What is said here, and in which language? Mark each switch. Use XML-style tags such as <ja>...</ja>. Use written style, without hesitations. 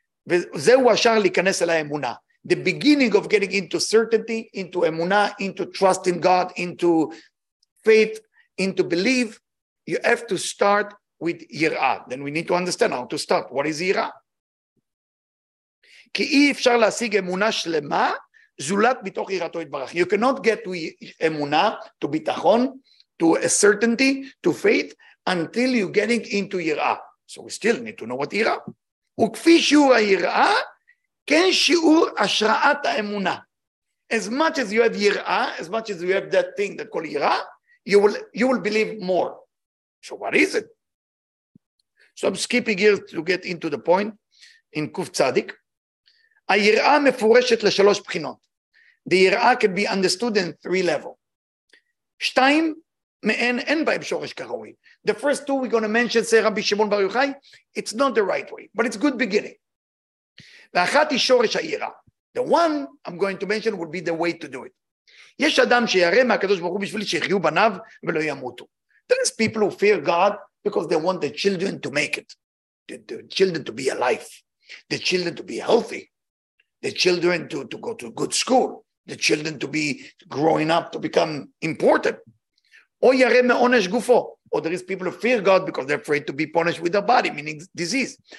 <he>וזהו השאר להיכנס אל האמונה.</he> <en>The beginning of getting into certainty, into אמונה, into trust in God, into faith, into belief, you have to start with יראה. Then we need to understand how to start. What is יראה?</en> <he>כי אי אפשר להשיג אמונה שלמה, זולת מתוך יראתו יתברך.</he> <en>You cannot get to אמונה, to ביטחון, to a certainty, to faith, until you're getting into יראה. So we still need to know what יראה.</en> <he>וכפי שיעור היראה, כן שיעור השראת האמונה.</he> <en>As much as you have יראה, as much as you have that thing that called יראה, you will believe more. So what is it? So I'm skipping here to get into the point in Kuf Tzadik.</en> <he>היראה מפורשת לשלוש בחינות.</he> <en>The יראה can be understood in three levels.</en> <he>שתיים, מעין, אין בהם שורש כראוי.</he> <en>The first two we're going to mention, say Rabbi Shimon Bar Yochai, it's not the right way, but it's a good beginning.</en> <he>ואחת היא שורש העירה.</he> <en>The one I'm going to mention would be the way to do it.</en> <he>יש אדם שירא מהקדוש ברוך הוא בשביל שיחיו בניו ולא ימותו.</he> <en>There is people who fear God because they want the children to make it. The children to be alive. The children to be healthy. The children to go to good school. The children to be growing up, to become important.</en> <he>או ירא מעונש גופו.</he> <en>Or there is people who fear God because they're afraid to be punished with their body, meaning disease.</en>